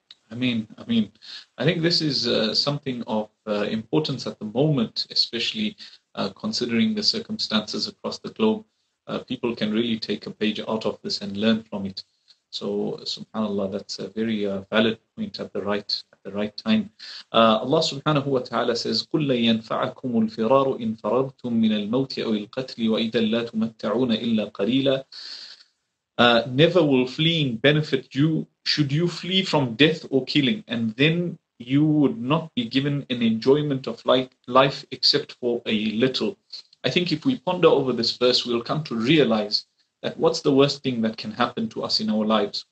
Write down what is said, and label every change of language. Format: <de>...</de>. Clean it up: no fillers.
<en>I mean, I think this is something of importance at the moment, especially considering the circumstances across the globe. People can really take a page out of this and learn from it. So, subhanAllah, that's a very valid point at the right time. Allah subhanahu wa ta'ala says,</en> <ar>قُلْ لَنْ يَنْفَعَكُمُ الْفِرَارُ إِنْ فَرَرْتُمْ مِنَ الْمَوْتِ أَوِ الْقَتْلِ وَإِذَا لَا تُمَتَّعُونَ إِلَّا قَلِيلًا.</ar> <en>Never will fleeing benefit you should you flee from death or killing, and then you would not be given an enjoyment of life except for a little. I think if we ponder over this verse, we'll come to realize that what's the worst thing that can happen to us in our lives?</en>